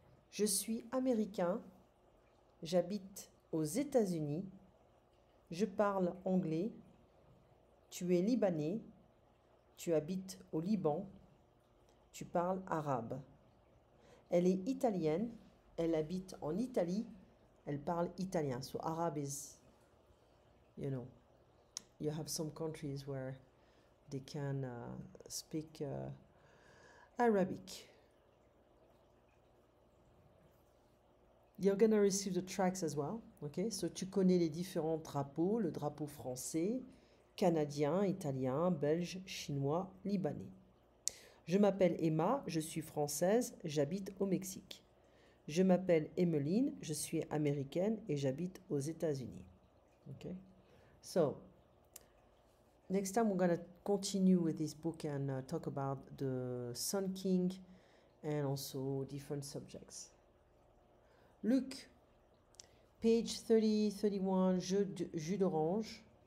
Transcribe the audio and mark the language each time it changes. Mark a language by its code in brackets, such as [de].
[fr] Je suis américain, j'habite aux États-Unis, je parle anglais, tu es libanais. Tu habites au Liban, tu parles arabe. Elle est italienne, elle habite en Italie, elle parle italien. [en] So, arabe is, you have some countries where they can speak Arabic. You're gonna receive the tracks as well. Okay, so [fr] tu connais les différents drapeaux, le drapeau français. Canadien, italien, belge, chinois, libanais. Je m'appelle Emma, je suis française, j'habite au Mexique. Je m'appelle Emmeline, je suis américaine et j'habite aux États-Unis. [en] Okay. So, next time we're going to continue with this book and talk about the Sun King and also different subjects. [fr] Luke, page 30-31, jus d'orange.